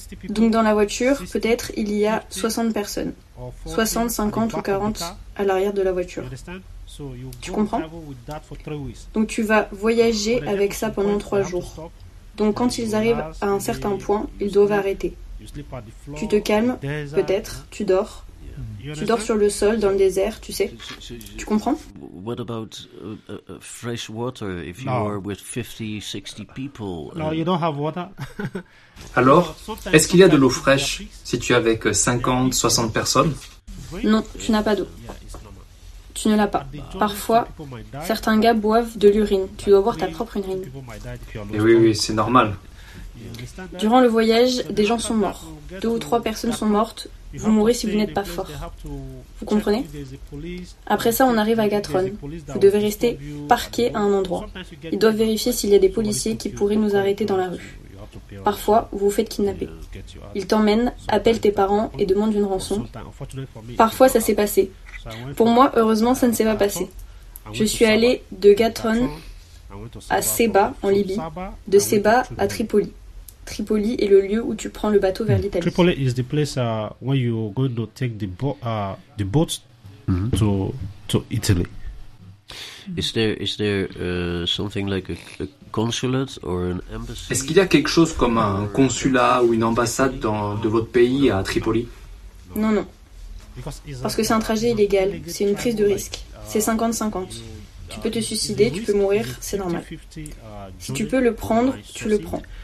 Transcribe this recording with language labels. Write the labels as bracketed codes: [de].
[fr] Donc dans la voiture, peut-être il y a 60 personnes. 60, 50 ou 40 à l'arrière de la voiture. Tu comprends? Donc tu vas voyager avec ça pendant 3 jours. Donc quand ils arrivent à un certain point, ils doivent arrêter. Tu te calmes, peut-être, tu dors. Tu dors sur le sol, dans le désert, tu sais. Tu comprends? [en] What about fresh water if you are with 50, 60 people? No, you don't have water. [fr] Alors, est-ce qu'il y a de l'eau fraîche si tu es avec 50, 60 personnes? Non, tu n'as pas d'eau. Tu ne l'as pas. Parfois, certains gars boivent de l'urine. Tu dois boire ta propre urine. Et oui, oui, c'est normal. Durant le voyage, des gens sont morts. 2 ou 3 personnes sont mortes. Vous mourrez si vous n'êtes pas fort. Vous comprenez? Après ça, on arrive à Gatron. Vous devez rester parqué à un endroit. Ils doivent vérifier s'il y a des policiers qui pourraient nous arrêter dans la rue. Parfois, vous vous faites kidnapper. Ils t'emmènent, appellent tes parents et demandent une rançon. Parfois, ça s'est passé. Pour moi, heureusement, ça ne s'est pas passé. Je suis allé de Gatron à Séba, en Libye, de Séba à Tripoli. Tripoli est le lieu où tu prends le bateau vers l'Italie. [en] Tripoli is the place where you go to take the boat to Italy. Is there something like a consulate or an embassy? [fr] Est-ce qu'il y a quelque chose comme un consulat ou une ambassade de votre pays à Tripoli? Non, non. Parce que c'est un trajet illégal, c'est une prise de risque. C'est 50-50. Tu peux te suicider, tu peux mourir, c'est normal. Si tu peux le prendre, tu le prends.